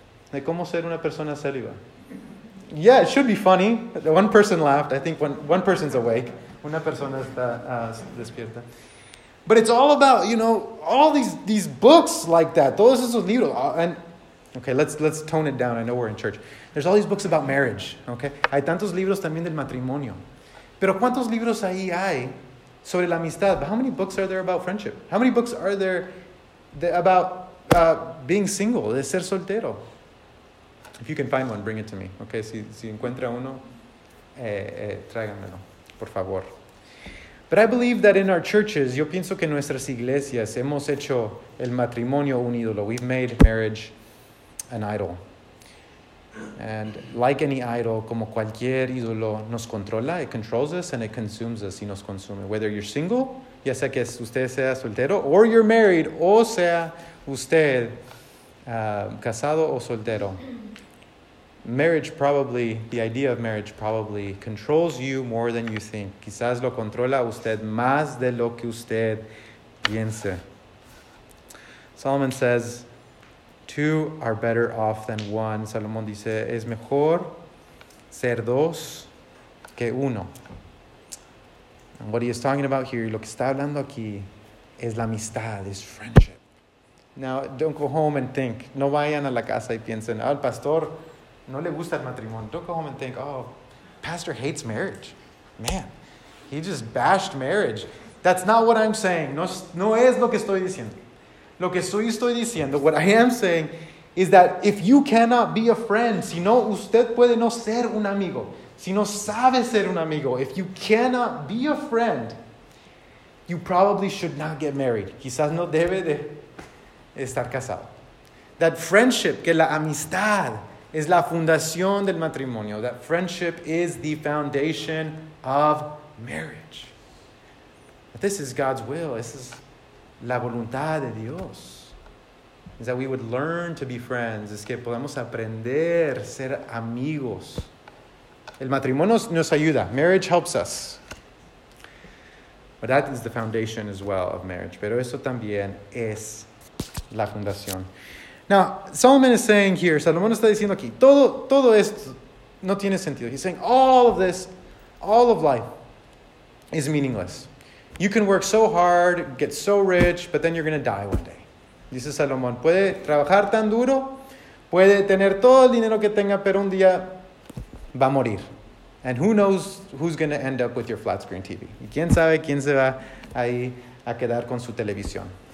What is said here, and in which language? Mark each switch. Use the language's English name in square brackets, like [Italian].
[Spanish] De cómo ser una persona célibe. [English] Yeah, it should be funny. One person laughed. I think one person's awake. [Spanish] Una persona está despierta. [English] But it's all about, you know, all these books like that. [Spanish] Todos esos libros. [English] And okay, let's tone it down. I know we're in church. There's all these books about marriage, okay? [Spanish] Hay tantos libros también del matrimonio. Pero ¿cuántos libros ahí hay sobre la amistad? [English] But how many books are there about friendship? How many books are there about being single, [Spanish] de ser soltero? [English] If you can find one, bring it to me, okay? [Spanish] Si encuentra uno, tráiganmelo, por favor. [English] But I believe that in our churches, [Spanish] yo pienso que en nuestras iglesias hemos hecho el matrimonio un ídolo. [English] We've made marriage an idol. And like any idol, [Spanish] como cualquier ídolo, nos controla, [English] it controls us and it consumes us [Spanish] y nos consume. [English] Whether you're single, [Spanish] ya sea que usted sea soltero, [English] or you're married, [Spanish] o sea usted casado o soltero. [English] Marriage probably, the idea of marriage probably controls you more than you think. [Spanish] Quizás lo controla usted más de lo que usted piensa. [English] Solomon says, two are better off than one. [Spanish] Salomón dice, es mejor ser dos que uno. [English] And what he is talking about here, [Spanish] lo que está hablando aquí, es la amistad, es friendship. [English] Now, don't go home and think. [Spanish] No vayan a la casa y piensen, al pastor no le gusta el matrimonio. [English] Don't go home and think, oh, pastor hates marriage. Man, he just bashed marriage. That's not what I'm saying. [Spanish] No es lo que estoy diciendo. Lo que estoy diciendo, [English] what I am saying, is that if you cannot be a friend, [Spanish] si no, usted puede no ser un amigo. Si no sabe ser un amigo, [English] if you cannot be a friend, you probably should not get married. [Spanish] Quizás no debe de estar casado. [English] That friendship, [Spanish] que la amistad, es la fundación del matrimonio. [English] That friendship is the foundation of marriage. But this is God's will. This is [Spanish] la voluntad de Dios. [English] Is that we would learn to be friends. [Spanish] Es que podamos aprender a ser amigos. El matrimonio nos ayuda. [English] Marriage helps us. But that is the foundation as well of marriage. [Spanish] Pero eso también es la fundación. [English] Now, Solomon is saying here, [Spanish] Salomón está diciendo aquí, todo esto no tiene sentido. [English] He's saying all of this, all of life is meaningless. You can work so hard, get so rich, but then you're going to die one day. [Spanish] Dice Salomón, puede trabajar tan duro, puede tener todo el dinero que tenga, pero un día va a morir. [English] And who knows who's going to end up with your flat screen TV. [Spanish] ¿Y quién sabe quién se va ahí a quedar con su televisión?